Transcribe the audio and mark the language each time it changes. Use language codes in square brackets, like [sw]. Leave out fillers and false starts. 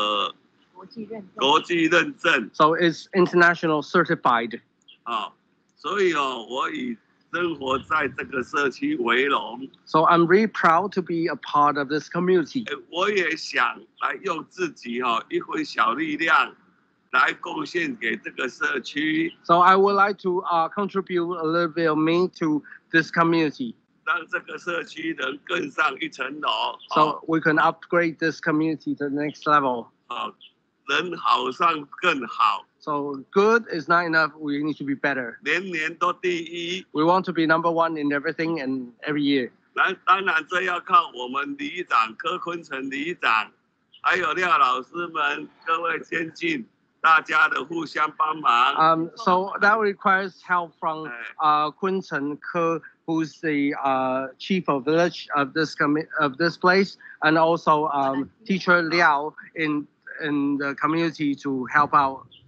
[zh] 在这个社区里面，就合乎这个国际认证。 [en] So it's international certified. [zh] 所以我以生活在这个社区为荣。 [en] So I'm really proud to be a part of this community. [zh] 我也想来用自己一份小力量。来贡献给这个社区, [en] so I would like to contribute a little bit of me to this community. [zh] 让这个社区能更上一层楼, [en] so we can upgrade this community to the next level. [zh] 人好上更好, [en] So good is not enough. We need to be better. [zh] 年年都第一. [en] We want to be number one in everything and every year. [zh] 当然这要靠我们里长柯坤成里长，还有廖老师们各位先进。 [en] So that requires help from Kun Chen Ke, who's the chief of village of this place, and also teacher Liao in the community to help out.